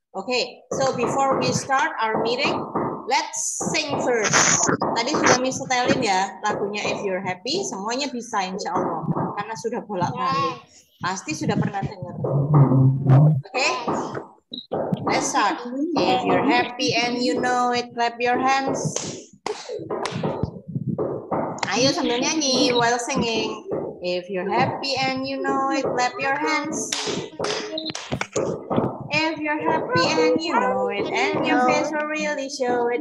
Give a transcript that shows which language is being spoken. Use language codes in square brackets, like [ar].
[en] Okay, so before we start our meeting, let's sing first. [id] Tadi sudah Miss setelin ya lagunya If You're Happy. Semuanya bisa insya Allah, karena sudah bolak-balik. Pasti sudah pernah dengar. [en] Okay? Let's start. If you're happy and you know it, clap your hands. [id] Ayo sambil nyanyi [en] while singing. If you're happy and you know it, clap your hands. If you're happy and you know it, and your face will really show it.